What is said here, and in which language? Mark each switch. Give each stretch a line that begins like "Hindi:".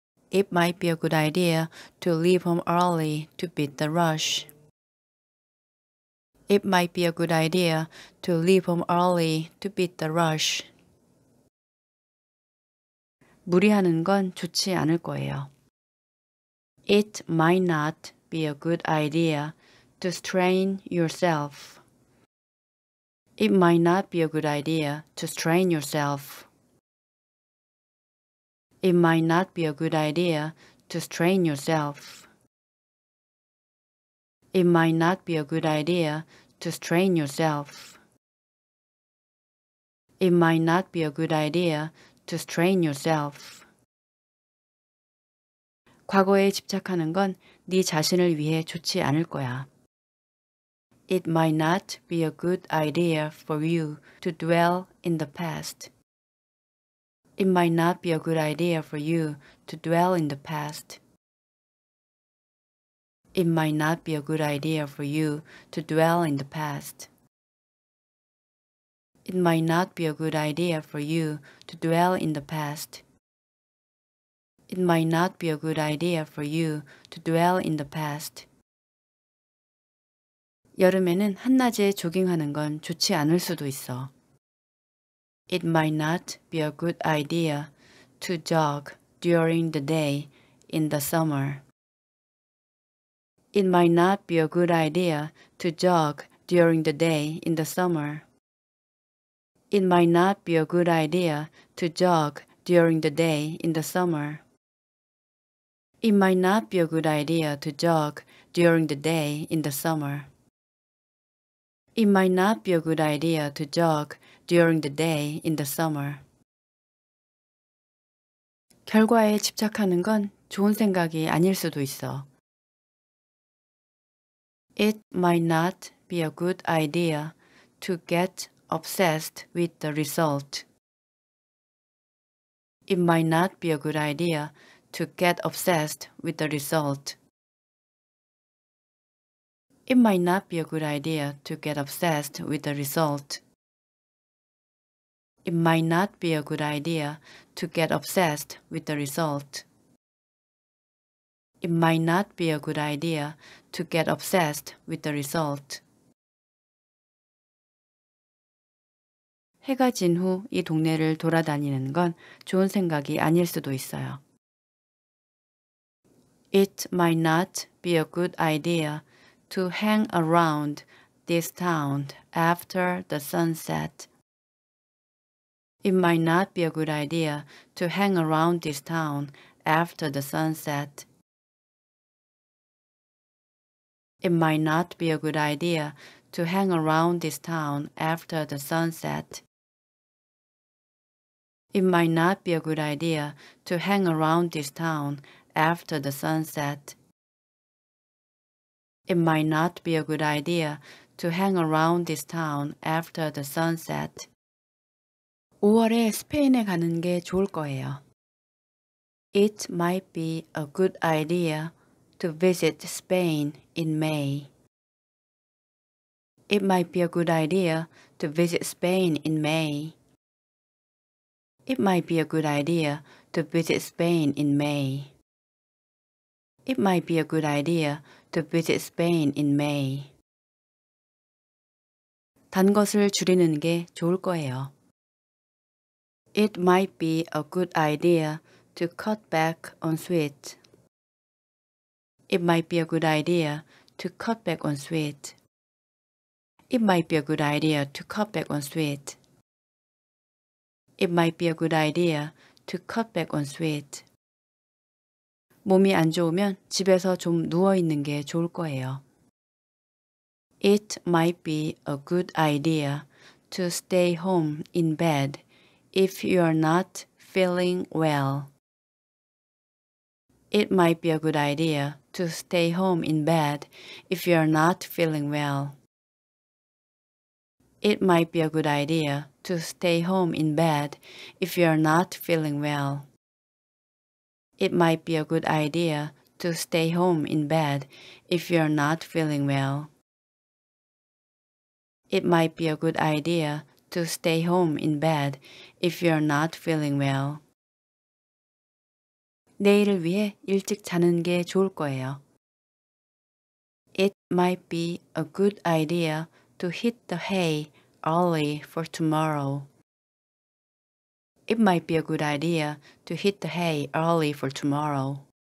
English: It might be a good idea to leave home early to beat the rush. It might be a good idea to leave home early to beat the rush.
Korean: 무리하는 건 좋지 않을 거예요.
English: It might not be a good idea to strain yourself. It might not be a good idea to strain yourself. It might not be a good idea to strain yourself. It might not be a good idea to strain yourself. It might not be a good idea to strain yourself.
Korean: 과거에 집착하는 건 네 자신을 위해 좋지 않을 거야.
English: It might not be a good idea for you to dwell in the past. It might not be a good idea for you to dwell in the past. It might not be a good idea for you to dwell in the past. It might not be a good idea for you to dwell in the past. It might not be a good idea for you to dwell in the past.
Korean: 여름에는 한낮에 조깅하는 건 좋지 않을 수도 있어.
English: It might not be a good idea to jog during the day in the summer. It might not be a good idea to jog during the day in the summer. It might not be a good idea to jog during the day in the summer. It might not be a good idea to jog during the day in the summer. It might not be a good idea to jog during the day in the summer.
Korean: 결과에 집착하는 건 좋은 생각이 아닐 수도 있어.
English: It might not be a good idea to get obsessed with the result. It might not be a good idea to get obsessed with the result. It might not be a good idea to get obsessed with the result. It might not be a good idea to get obsessed with the result. It might not be a good idea to get obsessed with the result.
Korean: 해가 진 후 이 동네를 돌아다니는 건 좋은 생각이 아닐 수도 있어요.
English: It might not be a good idea to hang around this town after the sunset. It might not be a good idea to hang around this town after the sunset. It might not be a good idea to hang around this town after the sunset. It might not be a good idea to hang around this town after the sunset. It might not be a good idea to hang around this town after the sunset.
Korean: 5월에 스페인에 가는 게 좋을 거예요.
English: It might be a good idea to visit Spain in May. It might be a good idea to visit Spain in May. It might be a good idea to visit Spain in May. It might be a good idea to visit Spain in May.
Korean: 단 것을 줄이는 게 좋을 거예요.
English: It might be a good idea to cut back on sweets. It might be a good idea to cut back on sweets. It might be a good idea to cut back on sweets. It might be a good idea to cut back on sweets.
Korean: 몸이 안 좋으면 집에서 좀 누워 있는 게 좋을 거예요.
English: It might be a good idea to stay home in bed if you are not feeling well. It might be a good idea to stay home in bed if you are not feeling well. It might be a good idea to stay home in bed if you are not feeling well. It might be a good idea to stay home in bed if you are not feeling well. It might be a good idea to stay home in bed if you are not feeling well.
Korean: 내일을 위해 일찍 자는 게 좋을 거예요.
English: It might be a good idea to hit the hay early for tomorrow. It might be a good idea to hit the hay early for tomorrow.